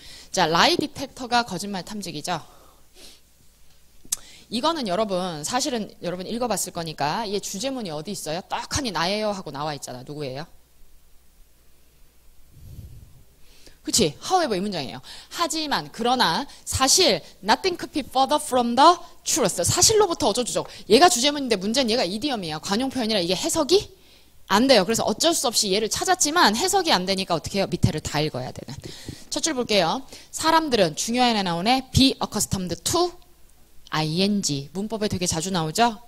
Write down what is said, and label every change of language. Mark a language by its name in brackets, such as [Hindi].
[Korean] 자, 라이 디텍터가 거짓말 탐지기죠. 이거는 여러분, 사실은 여러분 읽어봤을 거니까 얘 주제문이 어디 있어요? 떡하니 나예요 하고 나와 있잖아. 누구예요? 그치? However 이 문장이에요. 하지만, 그러나, 사실 [English] nothing could be further from the truth. [Korean] 사실로부터 어쩌죠. 얘가 주제문인데 문제는 얘가 이디엄이에요. 관용표현이라 이게 해석이? 안 돼요. 그래서 어쩔 수 없이 얘를 찾았지만 해석이 안 되니까 어떻게 해요? 밑에를 다 읽어야 되는. 첫 줄 볼게요. 사람들은 중요한에 나오네. [English] be accustomed to ing. [Korean] 문법에 되게 자주 나오죠?